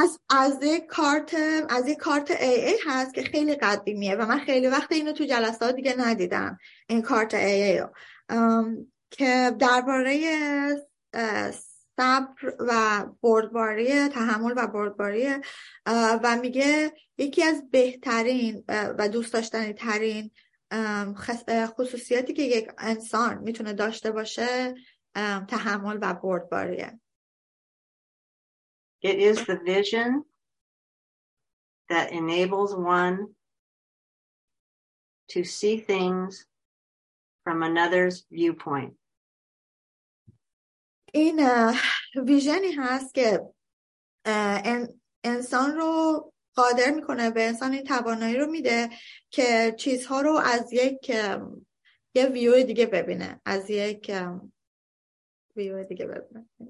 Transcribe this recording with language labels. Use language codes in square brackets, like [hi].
[fa] از یک کارت AA هست که خیلی قدیمیه و من خیلی وقت اینو تو جلسات دیگه ندیدم، این کارت AA رو که درباره صبر و بردباری، تحمل و بردباری، و میگه یکی از بهترین و دوست داشتنی ترین خصوصیاتی که یک انسان میتونه داشته باشه تحمل و بردباریه. [en] It is the vision that enables one to see things from another's viewpoint. [fa] این ویژنی هست که انسان رو قادر میکنه، به انسان این توانایی رو میده که چیزها رو از یک ویو دیگه ببینه، از یک ویو دیگه ببینه.